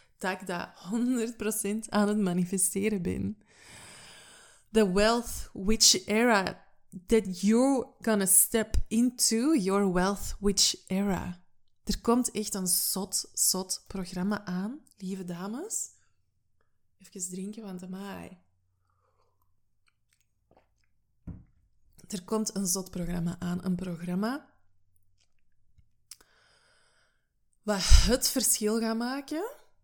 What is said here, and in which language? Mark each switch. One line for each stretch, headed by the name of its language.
Dutch: Dat ik dat 100% aan het manifesteren ben.
English: The wealth witch era. That you're gonna step into your wealth witch era.
Dutch: Er komt echt een zot programma aan, lieve dames. Even drinken, want amai. Er komt een zot programma aan. Een programma wat het verschil gaat maken.